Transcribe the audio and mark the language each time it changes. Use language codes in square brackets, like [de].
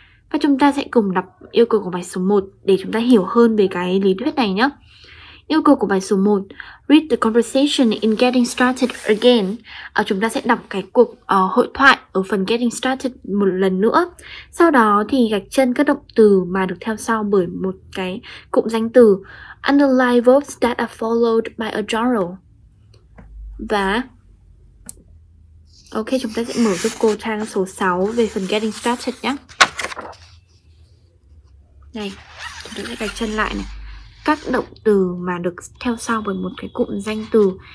[vi] Và chúng ta sẽ cùng đọc yêu cầu của bài số 1 để chúng ta hiểu hơn về cái lý thuyết này nhé. Yêu cầu của bài số 1: [en] Read the conversation in Getting Started Again. [vi] Chúng ta sẽ đọc cái cuộc hội thoại ở phần Getting Started một lần nữa. Sau đó thì gạch chân các động từ mà được theo sau bởi một cái cụm danh từ. [en] Underline verbs that are followed by a gerund. [vi] Và ok, chúng ta sẽ mở giúp cô trang số 6 về phần Getting Started nhé. Này, chúng ta sẽ gạch chân lại này. Các động từ mà được theo sau bởi một cái cụm danh từ.